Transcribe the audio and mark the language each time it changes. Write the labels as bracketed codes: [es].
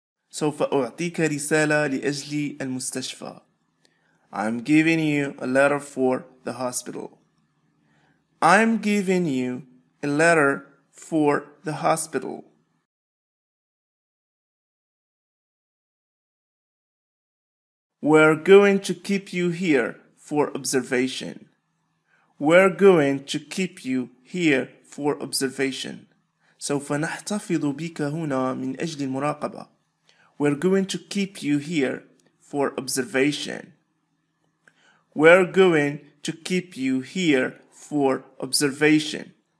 [ar] سوف أعطيك رسالة لأجل المستشفى. [en] I'm giving you a letter for the hospital. I'm giving you a letter for the hospital. We're going to keep you here for observation. We're going to keep you here for observation. [ar] سوف نحتفظ بك هنا من أجل المراقبة. [en] We're going to keep you here for observation. We're going to keep you here for observation.